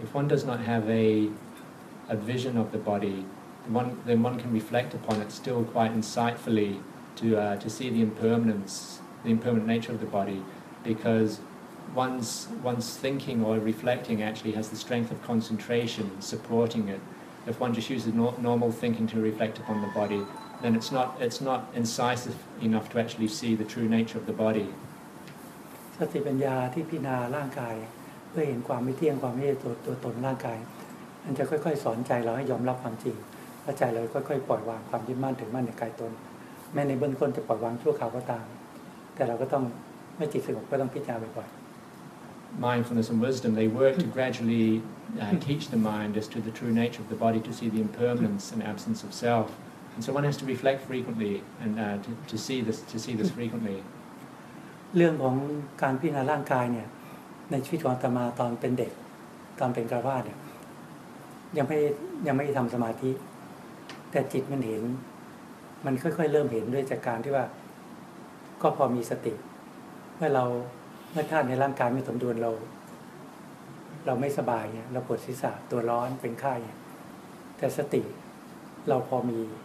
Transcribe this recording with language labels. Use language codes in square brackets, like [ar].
[en] If one does not have a vision of the body, then one can reflect upon it still quite insightfully to see the impermanence, the impermanent nature of the body, because one's thinking or reflecting actually has the strength of concentration supporting it. If one just uses normal thinking to reflect upon the body, then it's not incisive enough to actually see the true nature of the body. [th] สติปัญญาที่พิจารณาร่างกายเพื่อเห็นความไม่เที่ยงความไม่ใช่ตัวตนร่างกายมันจะค่อยๆสอนใจเราให้ยอมรับความจริงแล้วใจเราค่อยๆปล่อยวางความยึดมั่นถือมั่นในกายตนแม้ในเบื้องต้นจะปล่อยวางชั่วคราวก็ตามแต่เราก็ต้องไม่จิตสงบก็ต้องพิจารณาบ่อย [en] Mindfulness and wisdom, they work to gradually teach the mind as to the true nature of the body, to see the impermanence and absence of self. And so one has to reflect frequently and to see this frequently. [th] เรื่องของการพิจารณาร่างกายเนี่ยในชีวิตของอาตมาตอนเป็นเด็กตอนเป็นคฤหัสถ์เนี่ยยังไม่ทำสมาธิแต่จิตมันเห็นมันค่อยๆเริ่มเห็นด้วยจากการที่ว่าก็พอมีสติเมื่อท่านในร่างกายไม่สมดุลเราไม่สบายเนี่ยเราปวดศีรษะตัวร้อนเป็นไข้แต่สติเราพอมี